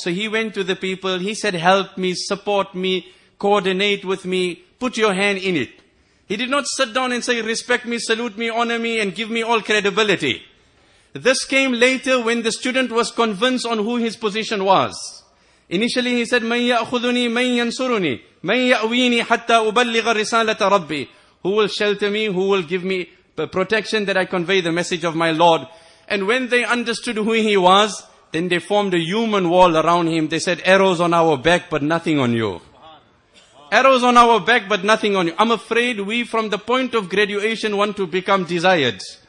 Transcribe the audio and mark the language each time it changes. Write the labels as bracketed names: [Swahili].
[English] So he went to the people. He said, help me, support me, coordinate with me, put your hand in it. He did not sit down and say, respect me, salute me, honor me, and give me all credibility. This came later when the student was convinced on who his position was. Initially he said, [Arabic] مَنْ يَأْخُذُنِي مَنْ يَنْصُرُنِي مَنْ يَأْوِينِي حَتَّى أُبَلِّغَ رِسَالَةَ رَبِّي. [English] Who will shelter me? Who will give me protection that I convey the message of my Lord? And when they understood who he was, then they formed a human wall around him. They said, arrows on our back, but nothing on you. Arrows on our back, but nothing on you. I'm afraid we, from the point of graduation, want to become desired.